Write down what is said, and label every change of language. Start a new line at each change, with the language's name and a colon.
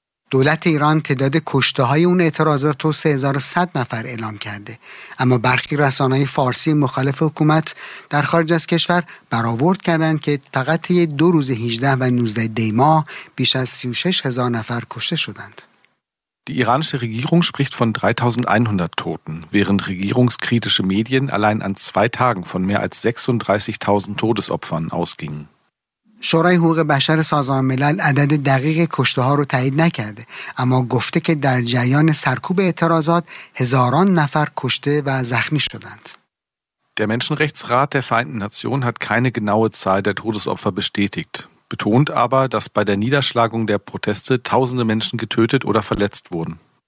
Persian: دولت ایران تعداد کشته‌های اون اعتراضات رو 3100 نفر اعلام کرده، اما برخی رسانه‌های فارسی مخالف حکومت در خارج از کشور برآورد کردند که فقط دو روز 18 و 19 دی ماه بیش از 36000 نفر کشته شدند.
German: Die iranische Regierung spricht von 3100 Toten, während regierungskritische Medien allein an zwei Tagen von mehr als 36000 Todesopfern ausgingen.
Persian: شورای حقوق بشر سازمان ملل عدد دقیق کشته‌ها رو تایید نکرده، اما گفته که در جریان سرکوب اعتراضات هزاران نفر کشته و زخمی شدند.
German: Der Menschenrechtsrat der Vereinten Nationen hat keine genaue Zahl der Todesopfer bestätigt, betont aber, dass bei der Niederschlagung der Proteste tausende Menschen getötet oder verletzt wurden.